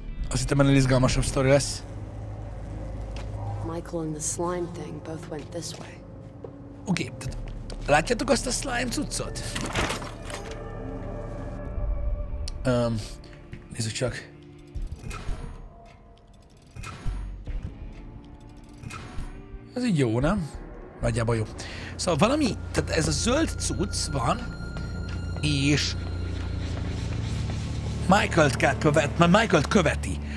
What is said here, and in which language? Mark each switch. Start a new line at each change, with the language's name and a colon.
Hungarian: Azt hittem, ennél izgalmasabb sztori lesz.
English: Michael and the slime thing both went this way.
Hungarian: Oké, tehát látjátok azt a slime cuccot? Nézzük csak. Ez így jó, nem? Nagyjából jó. Szóval valami, tehát ez a zöld cucc van, és Michael-t kell követ, mert Michael-t követi.